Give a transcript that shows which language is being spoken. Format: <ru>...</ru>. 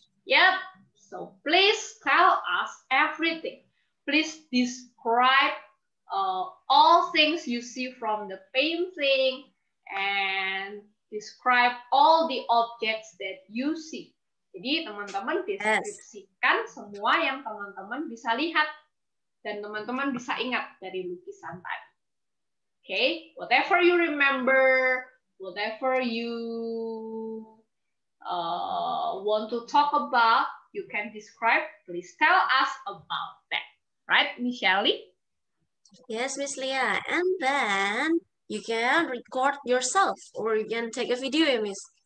<en>Yep. So please tell us everything. Please describe all things you see from the painting and describe all the objects that you see.</en> <id>Jadi teman-teman deskripsikan semua yang teman-teman bisa lihat dan teman-teman bisa ingat dari lukisan tadi.</id> <en>Okay, whatever you remember, whatever you want to talk about, you can describe. Please tell us about that. Right, Michelle? Yes, Miss Leah. And then you can record yourself or you can take a video, Miss.</en>